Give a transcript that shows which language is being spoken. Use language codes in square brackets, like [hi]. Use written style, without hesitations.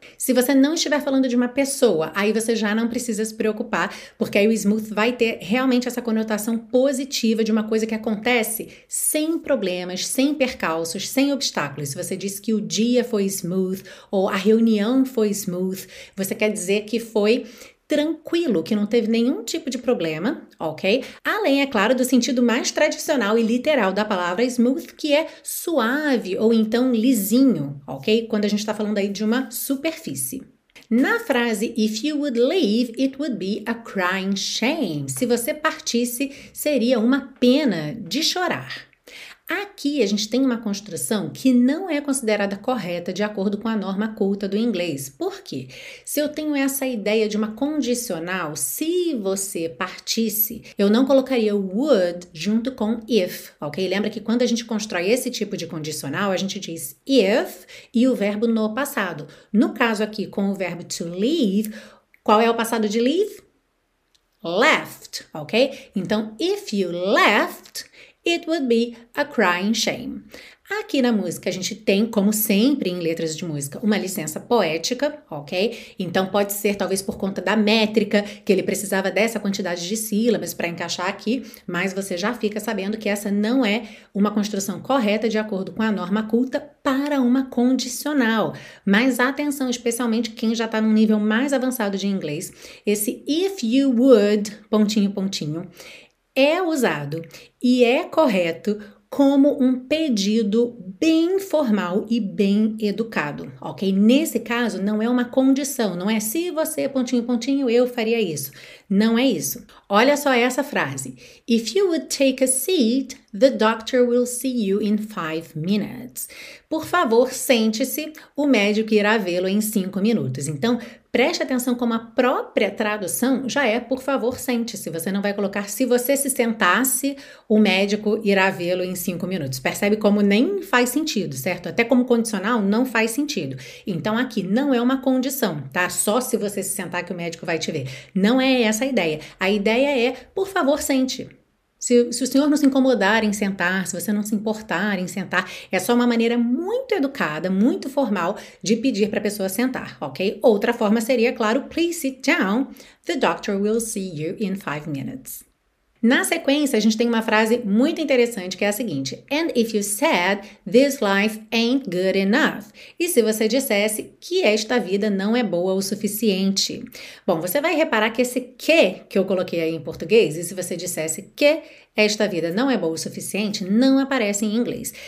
[pt] Se você não estiver falando de uma pessoa, aí você já não precisa se preocupar, porque aí o smooth vai ter realmente essa conotação positiva de uma coisa que acontece sem problemas, sem percalços, sem obstáculos. Se você diz que o dia foi smooth ou a reunião foi smooth, você quer dizer que foi tranquilo, que não teve nenhum tipo de problema, ok? Além, é claro, do sentido mais tradicional e literal da palavra smooth, que é suave ou então lisinho, ok? Quando a gente está falando aí de uma superfície. Na frase [en] If you would leave, it would be a crying shame. [pt] Se você partisse, seria uma pena de chorar. Aqui a gente tem uma construção que não é considerada correta de acordo com a norma culta do inglês. Por quê? Se eu tenho essa ideia de uma condicional, se você partisse, eu não colocaria o would junto com if, ok? Lembra que quando a gente constrói esse tipo de condicional, a gente diz if e o verbo no passado. No caso aqui, com o verbo to leave, qual é o passado de leave? [en] Left, ok? [pt] Então, [en] if you left, it would be a crying shame. [pt] Aqui na música, a gente tem, como sempre em letras de música, uma licença poética, ok? Então pode ser, talvez por conta da métrica, que ele precisava dessa quantidade de sílabas para encaixar aqui, mas você já fica sabendo que essa não é uma construção correta de acordo com a norma culta para uma condicional. Mas atenção, especialmente quem já está num nível mais avançado de inglês, esse [en] if you would, [pt] pontinho, pontinho, é usado e é correto como um pedido bem formal e bem educado, ok? Nesse caso, não é uma condição, não é se você, pontinho, pontinho, eu faria isso. Não é isso. Olha só essa frase. [en] If you would take a seat, the doctor will see you in 5 minutes. [pt] Por favor, sente-se, o médico irá vê-lo em 5 minutos. Então, preste atenção como a própria tradução já é, por favor, sente-se. Você não vai colocar, se você se sentasse, o médico irá vê-lo em 5 minutos. Percebe como nem faz sentido, certo? Até como condicional, não faz sentido. Então, aqui não é uma condição, tá? Só se você se sentar que o médico vai te ver. Não é essa a ideia. A ideia é, por favor, sente. Se o senhor não se incomodar em sentar, se você não se importar em sentar, é só uma maneira muito educada, muito formal de pedir para a pessoa sentar, ok? Outra forma seria, claro, [en] please sit down. The doctor will see you in 5 minutes. [pt] Na sequência, a gente tem uma frase muito interessante, que é a seguinte: [en] And if you said, this life ain't good enough. [pt] E se você dissesse que esta vida não é boa o suficiente? Bom, você vai reparar que esse que eu coloquei aí em português, e se você dissesse que esta vida não é boa o suficiente, não aparece em inglês.